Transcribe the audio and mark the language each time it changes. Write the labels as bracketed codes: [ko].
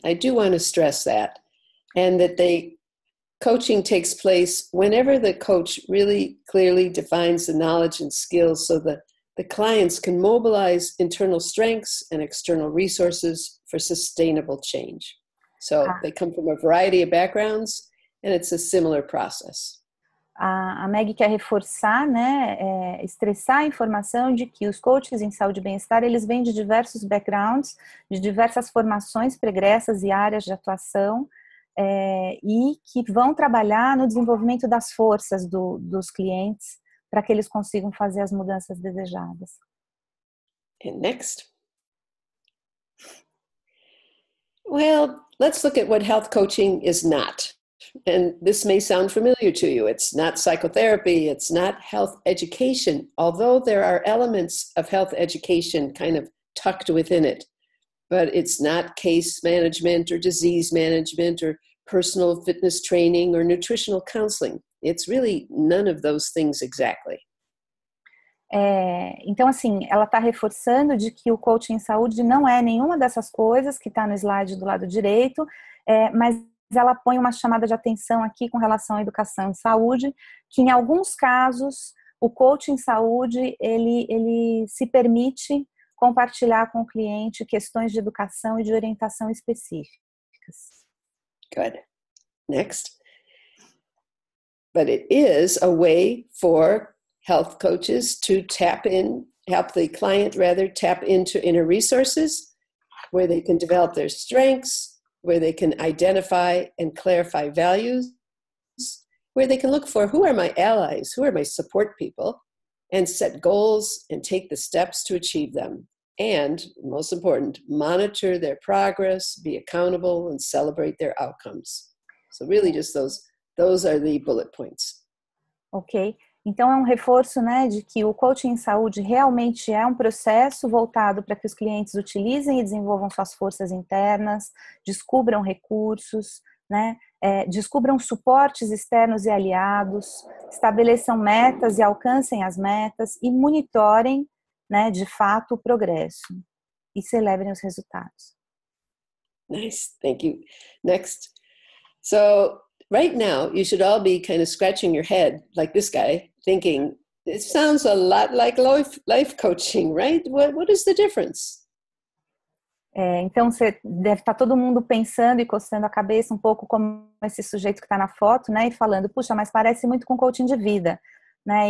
[en] I do want to stress that. And that they coaching takes place whenever the coach really clearly defines the knowledge and skills so that the clients can mobilize internal strengths and external resources for sustainable change. So they come from a variety of backgrounds, and it's a similar process. [pt] A Meg quer reforçar, né, estressar a informação de que os coaches em saúde e bem-estar, eles vêm de diversos backgrounds, de diversas formações pregressas e áreas de atuação, e que vão trabalhar no desenvolvimento das forças dos clientes para que eles consigam fazer as mudanças desejadas. [en] And next. Well, let's look at what health coaching is not. And this may sound familiar to you. It's not psychotherapy, it's not health education, although there are elements of health education kind of tucked within it. But it's not case management or disease management or personal fitness training or nutritional counseling. It's really none of those things exactly. [pt] Então, assim, ela está reforçando de que o coaching em saúde não é nenhuma dessas coisas que está no slide do lado direito, mas ela põe uma chamada de atenção aqui com relação à educação em saúde, que em alguns casos o coaching em saúde, ele se permite compartilhar com o cliente questões de educação e de orientação específicas. [en] Good. Next. But it is a way for health coaches to tap in, help the client rather tap into inner resources where they can develop their strengths, where they can identify and clarify values, where they can look for who are my allies, who are my support people, and set goals and take the steps to achieve them. And, most important, monitor their progress, be accountable, and celebrate their outcomes. So really just those are the bullet points. Okay. [pt] Então é um reforço, né, de que o coaching em saúde realmente é um processo voltado para que os clientes utilizem e desenvolvam suas forças internas, descubram recursos, né, descubram suportes externos e aliados, estabeleçam metas e alcancem as metas e monitorem, né, de fato o progresso e celebrem os resultados. [en] Nice, thank you. Next. So, right now, you should all be kind of scratching your head like this guy, thinking, it sounds a lot like life coaching, right? What is the difference? [pt] Então, você deve estar todo mundo pensando e coçando a cabeça um pouco como esse sujeito que está na foto, né? E falando, puxa, mas parece muito com coaching de vida, né?